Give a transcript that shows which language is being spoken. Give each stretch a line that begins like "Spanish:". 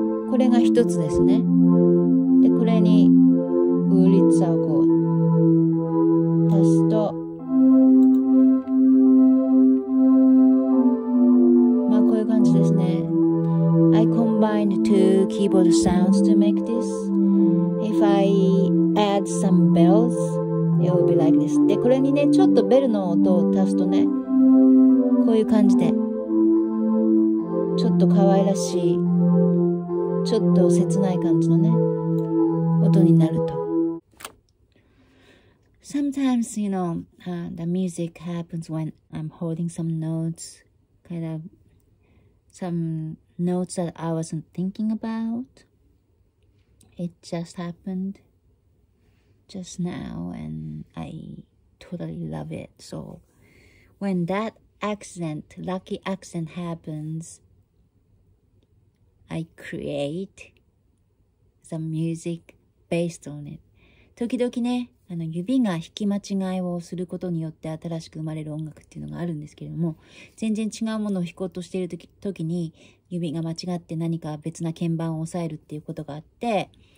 Japanese: これが一つですね。で、これにウーリッツァをこう足すと、まあこういう感じですね。
English: I combined two keyboard sounds to make this. If I add some bells, it will be like this.
Japanese: で、これにね、ちょっとベルの音を足すとね、こういう感じで、ちょっと可愛らしい、ちょっと切ない感じのね、音になると。
English: Sometimes, you know, the music happens when I'm holding some notes, kind of some notes that I wasn't thinking about. It just happened just now, and I totally love it. So when that accident, lucky accident happens,I create some music based on it.
Japanese: 時々ね、指が弾き間違いをすることによって新しく生まれる音楽っていうのがあるんですけれども、全然違うものを弾こうとしている時に指が間違って何か別な鍵盤を押さえるっていうことがあって、